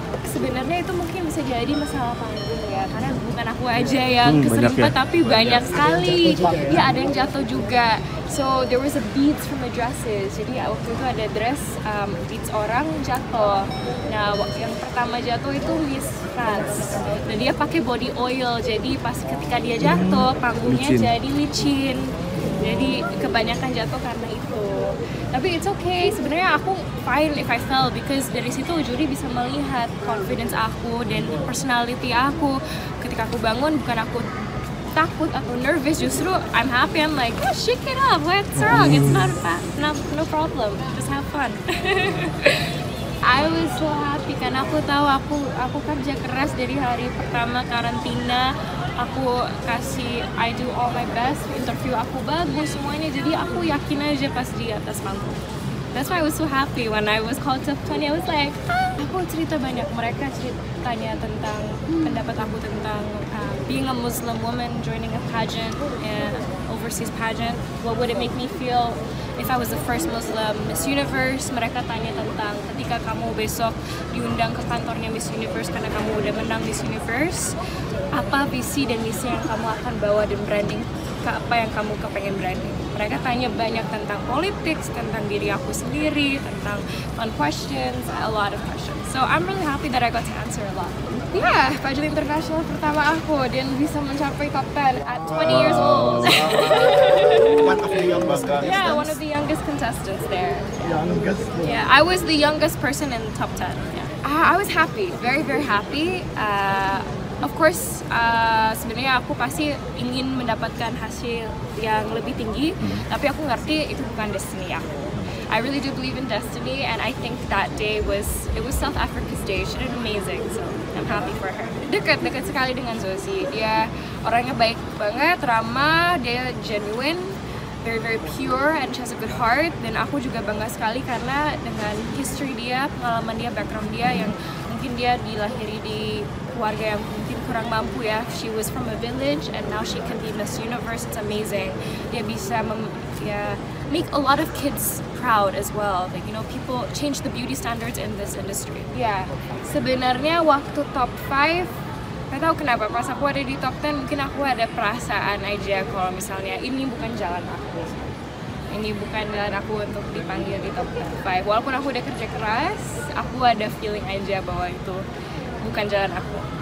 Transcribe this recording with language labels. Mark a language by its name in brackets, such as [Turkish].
[Indonesian] Sebenarnya itu mungkin bisa jadi masalah panggung ya, karena bukan aku aja yang keserempet, ya. Tapi banyak sekali ya, ada yang jatuh juga. [English] So there was a beads from the dresses. [Indonesian] Jadi waktu itu ada dress beads orang jatuh. Nah, yang pertama jatuh itu Miss France. Nah, dia pakai body oil. Jadi pas ketika dia jatuh, panggungnya licin. Jadi licin. Jadi kebanyakan jatuh karena itu. Tapi [English] it's okay, [Indonesian] sebenarnya aku [English] fine if I fell, because [Indonesian] dari situ juri bisa melihat confidence aku dan personality aku. Ketika aku bangun, bukan aku takut atau [English] nervous, [Indonesian] justru [English] I'm happy, I'm like, oh, shake it up, what's wrong, it's not no problem, just have fun. I was so happy, [Indonesian] karena aku tahu aku kerja keras dari hari pertama karantina. Aku kasih, [English] I do all my best, [Indonesian] interview aku bagus semuanya, jadi aku yakin aja pas di atas panggung. [English] That's why I was so happy when I was called top 20, I was like, ah. [Indonesian] Aku cerita banyak, mereka ceritanya tentang pendapat aku tentang [English] being a Muslim woman, joining a pageant, overseas pageant, what would it make me feel if I was the first Muslim Miss Universe. [Indonesian] Mereka tanya tentang ketika kamu besok diundang ke kantornya Miss Universe karena kamu udah menang Miss Universe, apa visi dan misi yang kamu akan bawa dan branding, apa yang kamu kepengen branding. mereka tanya banyak tentang politik, tentang diri aku sendiri, tentang [English] fun questions, a lot of questions. So I'm really happy that I got to answer a lot. [Indonesian] Yeah, Fajr International pertama aku dan bisa mencapai top 10 [English] at 20 years old. One of the youngest contestants. Yeah, one of the youngest contestants there. Youngest. Yeah, I was the youngest person in the top 10. Yeah. I was happy, very very happy. [Indonesian] Of course, sebenarnya aku pasti ingin mendapatkan hasil yang lebih tinggi, tapi aku ngerti itu bukan destiny aku. [English] I really do believe in destiny, and I think that day was, it was South Africa's day. She did amazing, so I'm happy for her. [Indonesian] Dekat sekali dengan Zosie. Dia orangnya baik banget, ramah, dia genuine, [English] very very pure, and she has a good heart. [Indonesian] Dan aku juga bangga sekali karena dengan history dia, pengalaman dia, background dia, yang mungkin dia dilahiri di keluarga yang mungkin kurang mampu ya. [English] She was from a village, and now she can be Miss Universe. It's amazing. [Indonesian] Dia bisa [English] make a lot of kids proud as well. Like, you know, people change the beauty standards in this industry. Yeah. [Indonesian] Sebenarnya waktu top 5, gak tahu kenapa pas aku ada di top 10, mungkin aku ada perasaan aja kalau misalnya ini bukan jalan aku. Ini bukan jalan aku untuk dipanggil di top 5. Walaupun aku udah kerja keras, aku ada feeling aja bahwa itu bukan jalan aku.